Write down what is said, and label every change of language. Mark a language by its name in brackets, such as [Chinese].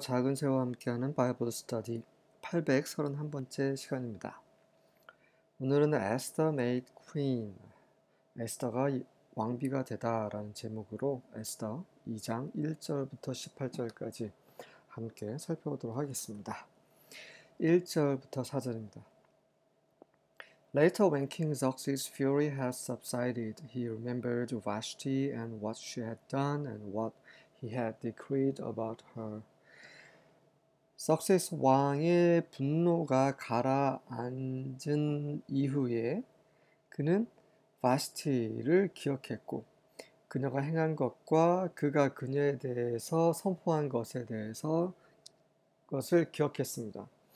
[Korean] 작은 새와 함께하는 바이블 스터디 831번째 시간입니다. 오늘은 에스더 메이드 퀸, 에스더가 왕비가 되다라는 제목으로 에스더 2장 1절부터 18절까지 함께 살펴보도록 하겠습니다. 1절부터 4절입니다. [English] Later, when King Xerxes' fury had subsided, he remembered Vashti and what she had done and what he had decreed about her. [Korean] 석세스 왕의 분노가 가라앉은 이후에 그는 바스티를 기억했고, 그녀가 행한 것과 그가 그녀에 대해서 선포한 것에 대해서 것을 기억했습니다.